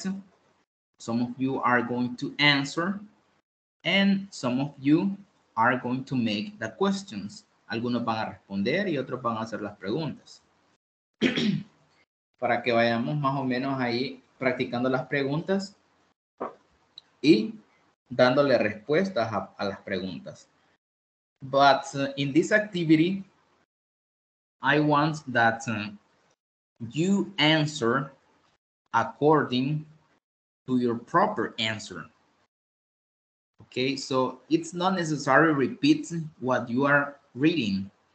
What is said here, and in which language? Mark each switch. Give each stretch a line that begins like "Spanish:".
English: Some of you are going to answer, and some of you are going to make the questions.
Spanish: Algunos van a responder y otros van a hacer las preguntas. Para que vayamos más o menos ahí practicando las preguntas y dándole respuestas a las preguntas.
English: But in this activity, I want that you answer according to your proper answer. Okay, so it's not necessary repeat what you are reading.